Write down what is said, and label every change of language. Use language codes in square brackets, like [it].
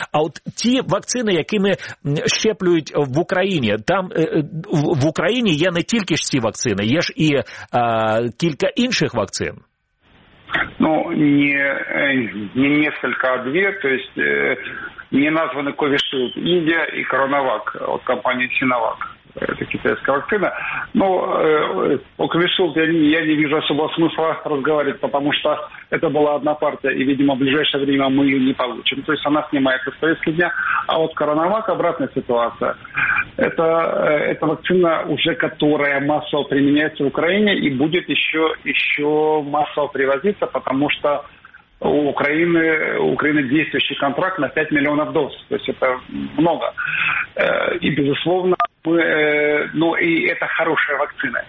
[uk] А от ті вакцини, якими щеплюють в Україні, там в Україні є не тільки ж ці вакцини, є ж і кілька інших вакцин. [ru] Ну, не несколько, а дві, то есть не названы Covishield India и CoronaVac от компании Sinovac. Это китайская вакцина. Но о Covishield я не вижу особого смысла разговаривать, потому что это была одна партия, и, видимо, в ближайшее время мы ее не получим. То есть она снимается с повестки дня. А вот CoronaVac – обратная ситуация. Это вакцина, уже которая массово применяется в Украине и будет еще массово привозиться, потому что у Украины действующий контракт на 5 миллионов доз. То есть это много. И, безусловно, и это хорошая вакцина.